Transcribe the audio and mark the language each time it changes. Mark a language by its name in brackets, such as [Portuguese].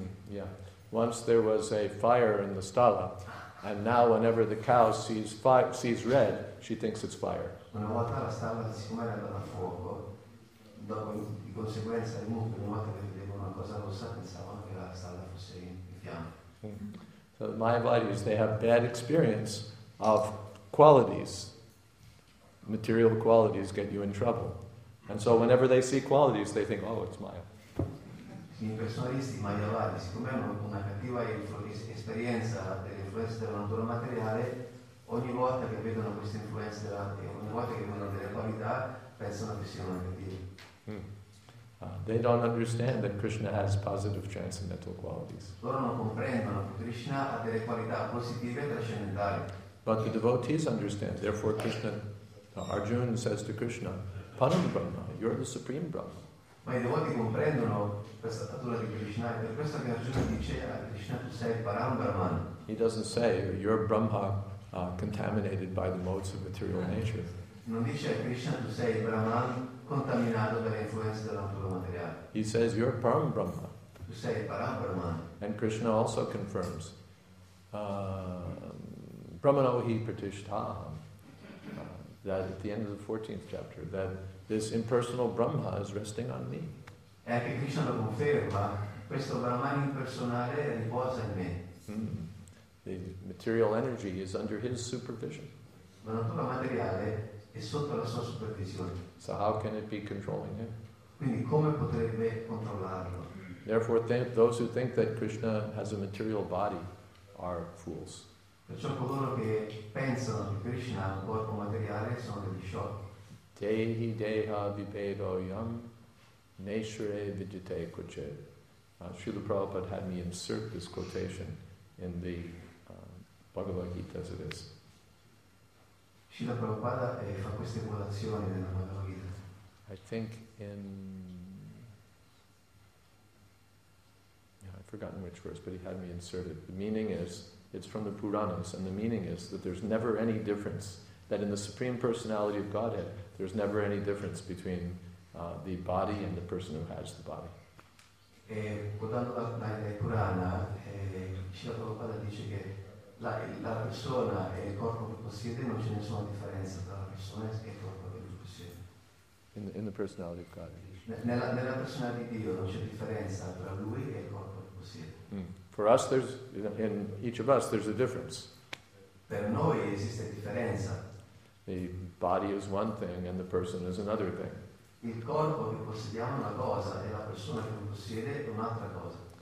[English] Yeah. Once there was a fire in the stalla, and now whenever the cow sees red, she thinks it's fire. [Italian] Una volta la stalla si è andata a fuoco, dopo di conseguenza il mucchio, una volta che vedeva una cosa rossa, pensava che la stalla fosse in fiamme. [English] So the Mayavadis, they have bad experience of qualities. Material qualities get you in trouble. And so whenever they see qualities, they think, oh, it's Maya. [Italian] I personalisti mayavadi, siccome hanno una cattiva esperienza dell'influenza della natura materiale, ogni volta che vedono questa influenza, ogni volta che vedono delle qualità, pensano che siano negative. [English] They don't understand that Krishna has positive transcendental qualities. [Italian] Loro non comprendono che Krishna ha delle qualità positive trascendentali. [English] But the devotees understand. Therefore, Krishna, Arjuna says to Krishna, Param Brahma, you're the supreme Brahma. [Italian] Ma i devoti comprendono questa natura di Krishna, e per questo che Arjuna dice a Krishna, tu sei Param Brahma. [English] He doesn't say, you're Brahma contaminated by the modes of material nature. [Italian] Non dice a Krishna, tu sei Brahman contaminato dalle influenze della natura materiale. [English] He says, you're Param Brahma. [Italian] Tu sei Param Brahma. [English] And Krishna also confirms, [Sanskrit] Brahmanohi Pratishtaham, [English] that at the end of the 14th chapter, that this impersonal Brahma is resting on me. [Italian] E anche Krishna lo conferma, questo Brahman impersonale riposa in me. [English] The material energy is under his supervision. [Italian] La natura materiale è sotto la sua supervisione. [English] So how can it be controlling him? [Italian] Quindi come potrebbe controllarlo? [English] Therefore, those who think that Krishna has a material body are fools. [Italian] Perciò coloro che pensano che Krishna ha un corpo materiale sono degli sciocchi. [Sanskrit] Dehi deha vibhedo yam nature vidyate kuche. [English] Srila Prabhupada had me insert this quotation in the Bhagavad Gita as it is. [Italian] Srila Prabhupada fa queste quotazioni nella Bhagavad Gita. [English] I think in... I've forgotten which verse, but he had me insert it. The meaning is, it's from the Puranas, and the meaning is that there's never any difference, that in the Supreme Personality of Godhead, there's never any difference between the body and the person who has the body. [Italian] E guardando dal Purana, Srila Prabhupada dice che la persona e il corpo che possiede non ce ne sono differenza tra la persona e il corpo che lui possiede. [English] In the personality of God. [Italian] Nella persona di Dio non c'è differenza tra lui e il corpo che possiede. [English] For us, there's in each of us there's a difference. [Italian] Per noi esiste differenza. [English] The body is one thing and the person is another thing. [Italian] Il corpo che possediamo è una cosa e la persona che lo possiede è un'altra cosa.